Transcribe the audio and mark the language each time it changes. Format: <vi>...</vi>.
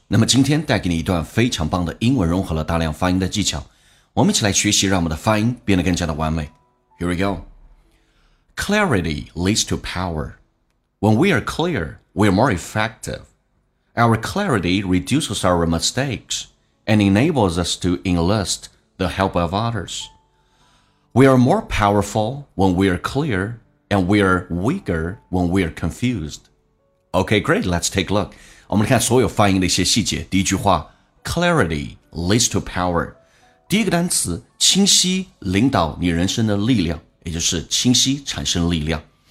<zh>那么今天带给你一段非常棒的英文融合了大量发音的技巧，我们一起来学习让我们的发音变得更加的完美。</zh> <en>Here we go. Clarity leads to power. When we are clear, we are more effective. Our clarity reduces our mistakes and enables us to enlist the help of others. We are more powerful when we are clear and we are weaker when we are confusedOkay, great, let's take a look.</en> <zh>我们来看所有发音的一些细节。第一句话</zh> <en>clarity leads to power.</en> <zh>第一个单词清晰领导你人生的力量，也就是清晰产生力量。</zh>